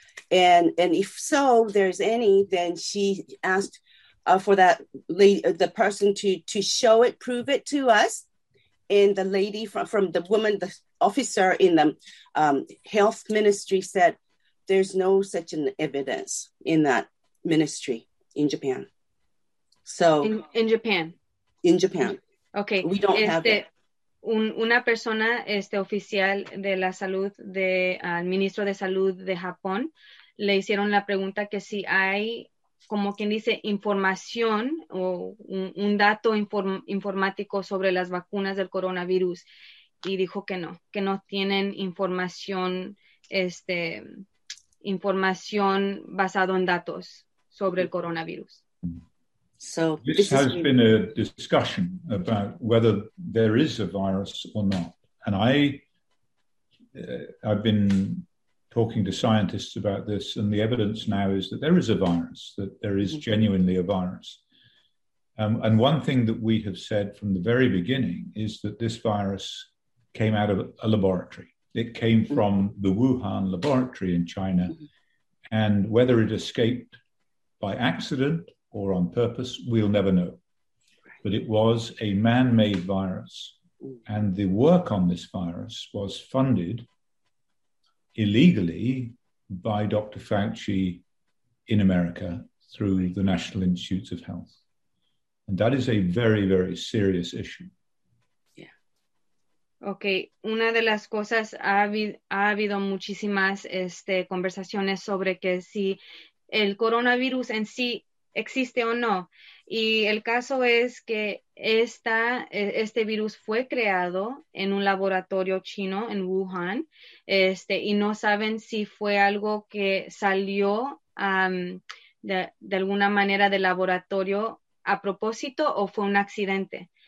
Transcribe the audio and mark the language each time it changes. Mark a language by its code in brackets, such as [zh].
[en] and if so, there's any, then she asked for that lady, the person to show it, prove it to us. And the lady from the woman, the officer in the health ministry said, there's no such an evidence in that ministry in Japan. So In Japan. Okay. We don't have it. [es] Una persona, oficial de la salud, del ministro de salud de Japón, le hicieron la pregunta que si hay, como quien dice, información o un dato informático sobre las vacunas del coronavirus, y dijo que no tienen información, información basado en datos sobre el coronavirus. [en] So this has been a discussion about whether there is a virus or not, and I've been talking to scientists about this, and the evidence now is that there is a virus, that there is genuinely a virus. And one thing that we have said from the very beginning is that this virus came out of a laboratory. It came from the Wuhan laboratory in China, and whether it escaped by accident or on purpose, we'll never know. But it was a man-made virus, and the work on this virus was funded illegally by Dr. Fauci in America through the National Institutes of Health. And that is a very, very serious issue. Yeah. [es] Okay, una de las cosas, ha habido muchísimas conversaciones sobre que si el coronavirus en sí existe o no. Y el caso es que este virus fue creado en un laboratorio chino en Wuhan, y no saben si fue algo que salió de alguna manera del laboratorio a propósito o fue un accidente.